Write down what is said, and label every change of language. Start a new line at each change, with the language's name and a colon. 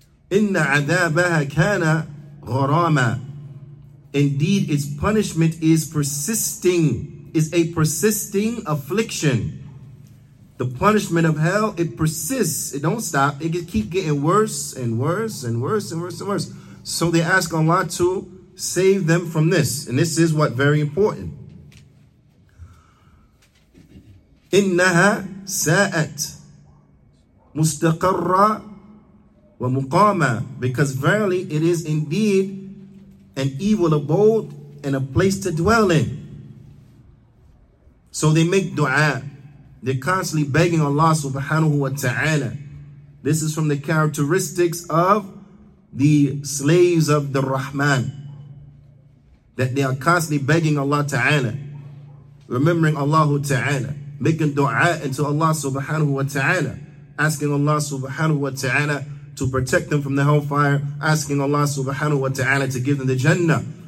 Arabic: Inna adabaha kana gharama.
English: Indeed, its punishment is persisting, is a persisting affliction. The punishment of hell, it persists, it don't stop, it can keep getting worse and worse and worse and worse and worse. So they ask Allah to save them from this. And this is what very important.
Arabic: إنها ساءت مستقرة ومقامة.
English: Because verily it is indeed an evil abode and a place to dwell in. So they make dua. They're constantly begging Allah subhanahu wa ta'ala. This is from the characteristics of the slaves of the Rahman, that they are constantly begging Allah ta'ala, remembering Allah ta'ala, making dua into Allah subhanahu wa ta'ala, asking Allah subhanahu wa ta'ala to protect them from the hellfire, asking Allah subhanahu wa ta'ala to give them the Jannah.